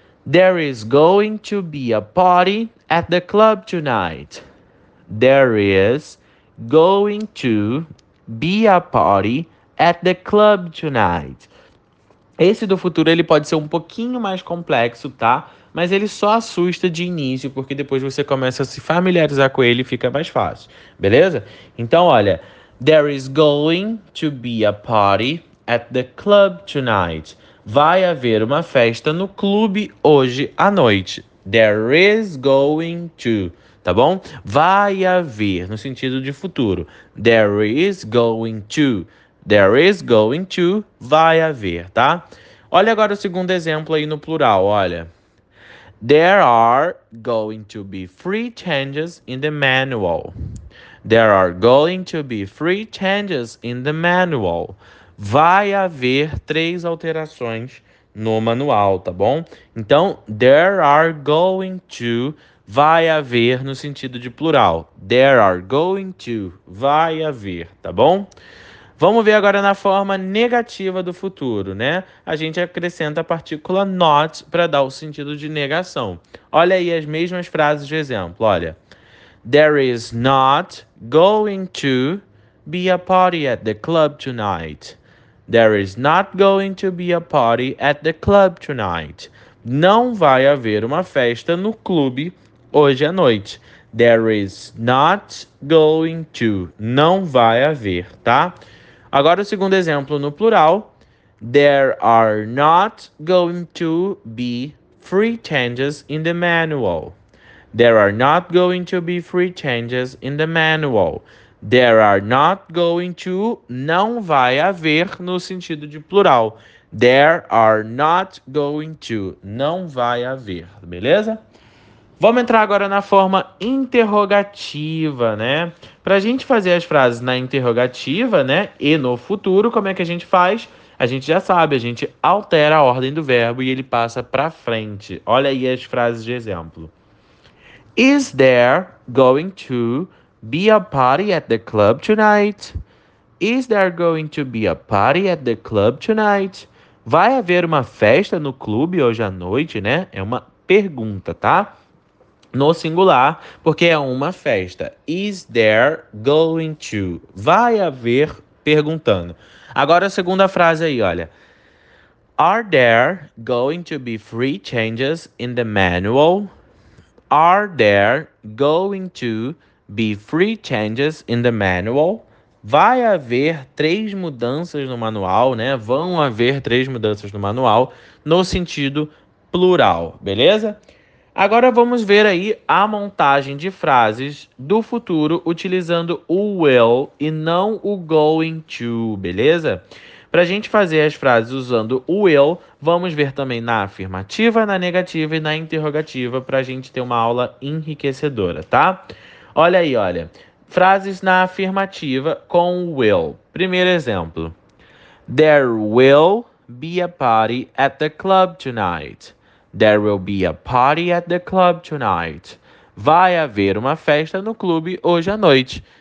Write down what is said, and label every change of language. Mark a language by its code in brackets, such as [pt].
[en] There is going to be a party at the club tonight. There is going to be a party at the club tonight. [pt] Esse do futuro ele pode ser um pouquinho mais complexo, tá? Mas ele só assusta de início, porque depois você começa a se familiarizar com ele e fica mais fácil, beleza? Então, olha, [en] there is going to be a party at the club tonight. [pt] Vai haver uma festa no clube hoje à noite. [en] There is going to, [pt] tá bom? Vai haver, no sentido de futuro. [en] There is going to, [pt] vai haver, tá? Olha agora o segundo exemplo aí no plural, olha. [en] There are going to be three changes in the manual. There are going to be 3 changes in the manual. [pt] Vai haver 3 alterações no manual, tá bom? Então, [en] there are going to, [pt] vai haver no sentido de plural. [en] There are going to, [pt] vai haver, tá bom? Vamos ver agora na forma negativa do futuro, né? A gente acrescenta a partícula not para dar o sentido de negação. Olha aí as mesmas frases de exemplo, olha. [en] There is not going to be a party at the club tonight. There is not going to be a party at the club tonight. [pt] Não vai haver uma festa no clube hoje à noite. [en] There is not going to. [pt] Não vai haver, tá? Agora o segundo exemplo no plural. [en] There are not going to be 3 changes in the manual. There are not going to be 3 changes in the manual. There are not going to, [pt] não vai haver no sentido de plural. [en] There are not going to, [pt] não vai haver, beleza? Vamos entrar agora na forma interrogativa, né? Para a gente fazer as frases na interrogativa, né? E no futuro, como é que a gente faz? A gente já sabe, a gente altera a ordem do verbo e ele passa para frente. Olha aí as frases de exemplo. [en] Is there going to be a party at the club tonight? Is there going to be a party at the club tonight? [pt] Vai haver uma festa no clube hoje à noite, né? É uma pergunta, tá? No singular, porque é uma festa. [en] Is there going to? [pt] Vai haver perguntando. Agora a segunda frase aí, olha. [en] Are there going to be 3 changes in the manual? Are there going to be 3 changes in the manual? [pt] Vai haver 3 mudanças no manual, né? Vão haver 3 mudanças no manual no sentido plural, beleza? Agora vamos ver aí a montagem de frases do futuro utilizando o will e não o going to, beleza? Para a gente fazer as frases usando o will, vamos ver também na afirmativa, na negativa e na interrogativa para a gente ter uma aula enriquecedora, tá? Olha aí, olha. Frases na afirmativa com o will. Primeiro exemplo. [en] There will be a party at the club tonight. There will be a party at the club tonight. [pt] Vai haver uma festa no clube hoje à noite.